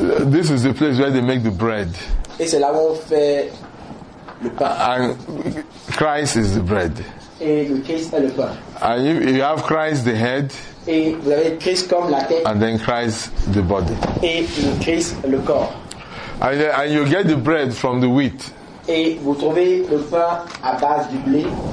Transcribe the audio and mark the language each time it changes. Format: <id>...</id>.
<en>This is the place where they make the bread.</en> <fr>Et c'est là où on fait le pain.</fr> <en>And Christ is the bread.</en> <fr>Et le Christ est le pain.</fr> <en>And you have Christ the head.</en> <fr>Et vous avez Christ comme la tête.</fr> <en>And then Christ the body.</en> <fr>Et le Christ le corps.</fr> <en>And you get the bread from the wheat.</en> <fr>Et vous trouvez le pain à base du blé.</fr>